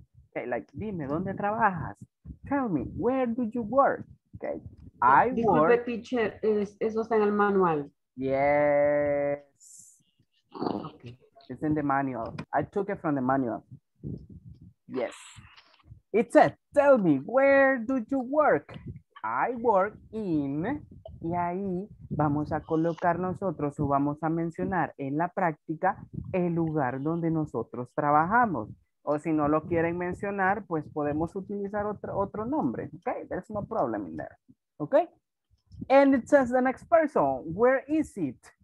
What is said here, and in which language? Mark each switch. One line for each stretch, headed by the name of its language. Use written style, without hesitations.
English: Okay, like, dime, ¿dónde trabajas? Tell me, where do you work? Okay,
Spanish: I work. Disculpe, teacher, eso está en el manual.
English: Yes. Okay. It's in the manual. I took it from the manual. Yes. It said, tell me, where do you work?
Spanish: I work in, y ahí vamos a colocar nosotros o vamos a mencionar en la práctica el lugar donde nosotros trabajamos. O si no lo quieren mencionar, pues podemos utilizar otro nombre.
English: Okay, there's no problem in there. Okay. And it says the next person, where is it?